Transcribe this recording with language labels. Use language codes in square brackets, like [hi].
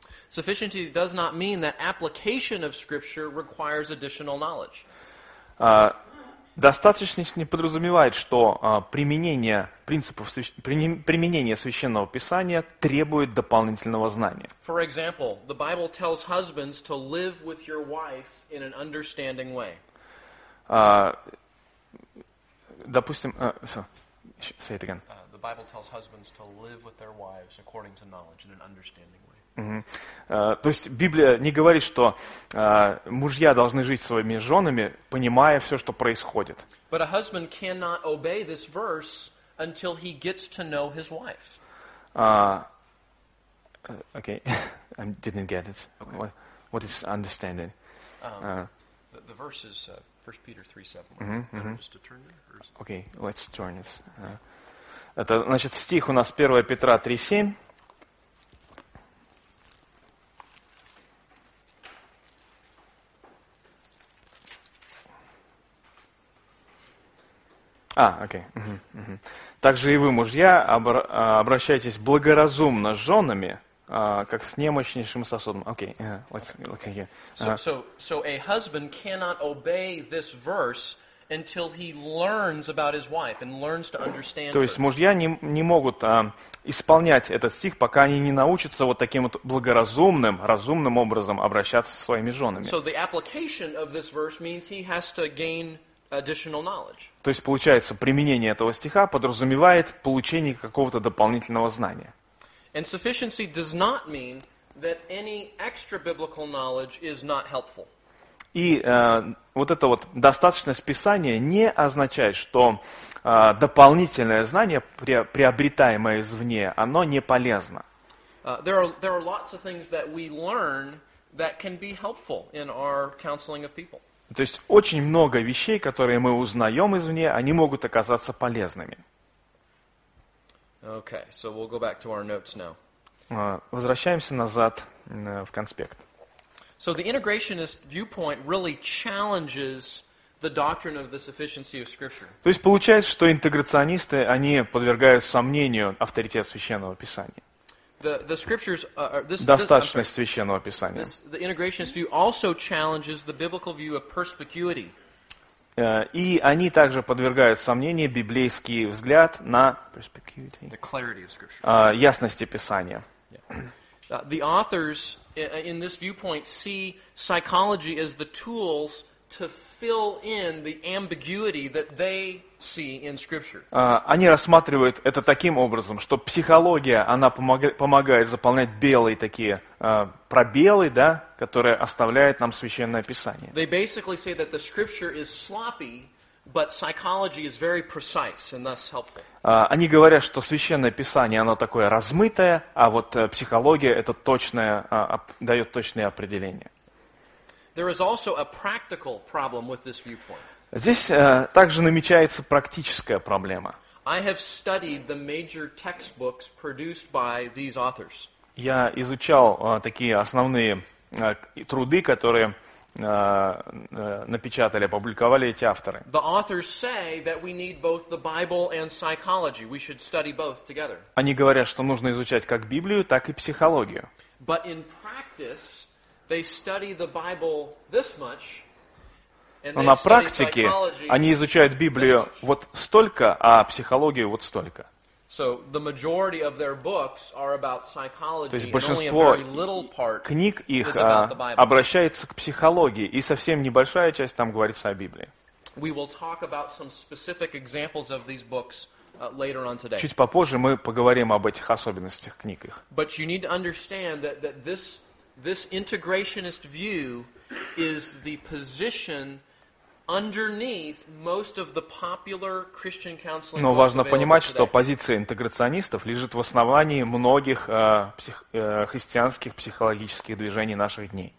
[en] Sufficiency does not mean that application of Scripture requires additional knowledge. [ru] Достаточность не подразумевает, что применение принципов применение Священного Писания требует дополнительного знания. [en] For example, the Bible tells husbands to live with your wife in an understanding way. [ru] Допустим, [en] say it again. The Bible tells husbands to live with their wives according to knowledge in an understanding way. [ru] То есть Библия не говорит, что мужья должны жить своими женами, понимая все, что происходит. [en] But a husband cannot obey this verse until he gets to know his wife. Okay, I didn't get it. Okay. What is understanding? The verse is 1 Peter 3:7. Just to turn it. Okay, let's turn it. [ru] Это значит стих у нас 1 Петра 3:7. Окей. Также и вы, мужья, обращайтесь благоразумно с женами, как с немощнейшим сосудом. Окей. [en] So a husband cannot obey this verse until he learns about his wife and learns to understand. [ru] То есть мужья не могут исполнять этот стих, пока они не научатся вот таким вот благоразумным, разумным образом обращаться со своими женами. [en] So the application of this verse means he has to gain additional knowledge. [ru] То есть, получается, применение этого стиха подразумевает получение какого-то дополнительного знания. [en] And sufficiency does not mean that any extra biblical knowledge is not helpful. [ru] И вот эта вот достаточность Писания не означает, что дополнительное знание, приобретаемое извне, оно не полезно. [en] There are lots of things that we learn that can be helpful in our counseling of people. [ru] То есть очень много вещей, которые мы узнаем извне, они могут оказаться полезными. [en] Okay, so we'll go back to our notes now. [ru] Возвращаемся назад в конспект. [en] So the integrationist viewpoint really challenges the doctrine of the sufficiency of Scripture. [ru] То есть получается, что интеграционисты, они подвергают сомнению авторитет Священного Писания. [en] The scriptures are this [ru] достаточность Священного Писания. [en] The integrationist view also challenges the biblical view of perspicuity. [ru] И они также подвергают сомнение библейский взгляд на perspicuity. [en] The clarity of Scripture. [ru] Ясности Писания. [en] The authors in this viewpoint see psychology as the tools to fill in the ambiguity that they see in Scripture. [ru] Они рассматривают это таким образом, что психология, она помогает заполнять белые такие пробелы, да, которые оставляет нам Священное Писание. [en] They basically say that the Scripture is sloppy, but psychology is very precise and thus helpful. [ru] Они говорят, что Священное Писание, оно такое размытое, а вот психология это точное, дает точные определения. [en] There is also a practical problem with this viewpoint. [ru] Здесь также намечается практическая проблема. [en] I have studied the major textbooks produced by these authors. [ru] Я изучал такие основные труды, которые напечатали, опубликовали эти авторы. [en] The authors say that we need both the Bible and psychology. We should study both together. [ru] Они говорят, что нужно изучать как Библию, так и психологию. [en] But in practice, they study the Bible this much, and [ru] но на практике они изучают Библию вот столько, а психологию вот столько. [en] So the majority of their books are about psychology. [ru] То есть большинство книг их обращается к психологии, и совсем небольшая часть там говорится о Библии. [en] We will talk about some specific examples of these books later on today. [ru] Чуть попозже мы поговорим об этих особенностях книг их. [en] But you need to understand that this integrationist view is the position underneath most of the popular Christian counseling. [ru] Но важно понимать, что позиция интеграционистов лежит в основании многих христианских психологических движений наших дней.